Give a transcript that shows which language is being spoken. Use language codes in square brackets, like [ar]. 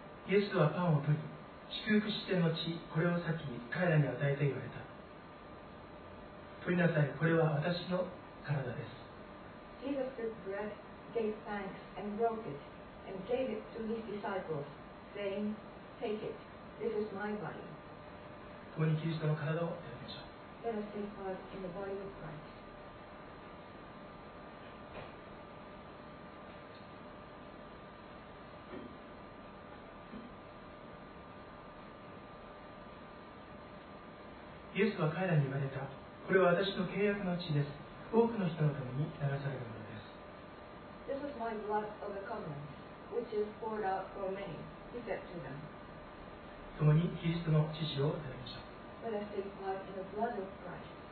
[ja] イエスはパンを取り、祝福して後、これを先に彼らに与えて言われた。取りなさい、これは私の体です。 [en] Jesus took bread, gave thanks, and broke it, and gave it to his disciples, saying, Take it, this is my body. [ja] 共にキリストの体を食べましょう。 [en] Let us take part in the body of Christ. [ja] イエスは彼らに言われた。これは私の契約の血です。多くの人のために流されるものです。 [en] This is my blood of the covenant, which is poured out for many, he said to them. [ja] 共にキリストの血を食べましょう。 [en] Let us take part in the blood of Christ.